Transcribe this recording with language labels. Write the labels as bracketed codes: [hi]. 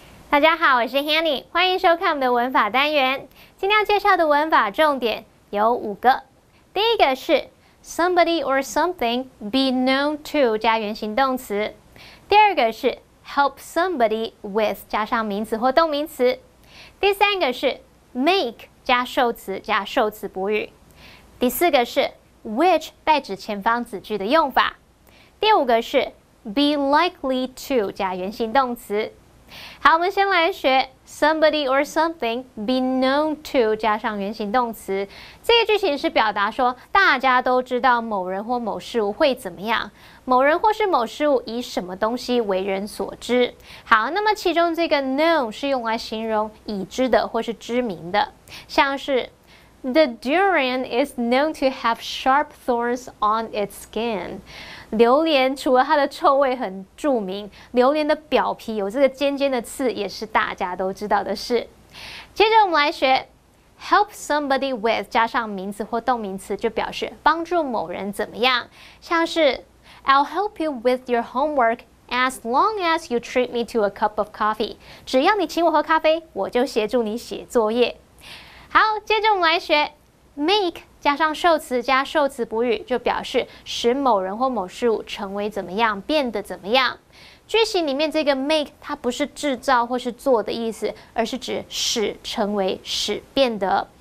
[zh] 大家好，我是 Hanny， 欢迎收看我们的文法单元。今天要介绍的文法重点有五个，第一个是 [en] somebody or something be known to [zh] 加原形动词，第二个是 [en] help somebody with [zh] 加上名词或动名词，第三个是 make 加受词加受词补语，第四个是 which 代指前方子句的用法，第五个是 [en] be likely to [zh] 加原形动词。好，我们先来学 [en] somebody or something be known to [zh] 加上原形动词。这个句型是表达说大家都知道某人或某事物会怎么样，某人或是某事物以什么东西为人所知。好，那么其中这个 known 是用来形容已知的或是知名的，像是 [en] The durian is known to have sharp thorns on its skin. [zh] 榴莲除了它的臭味很著名，榴莲的表皮有这个尖尖的刺也是大家都知道的事。接着我们来学 [en] help somebody with [zh] 加上名词或动名词就表示帮助某人怎么样，像是 [en] I'll help you with your homework as long as you treat me to a cup of coffee. [zh] 只要你请我喝咖啡，我就协助你写作业。好，接着我们来学 make 加上受词加受词补语，就表示使某人或某事物成为怎么样，变得怎么样。句型里面这个 make 它不是制造或是做的意思，而是指使成为、使变得。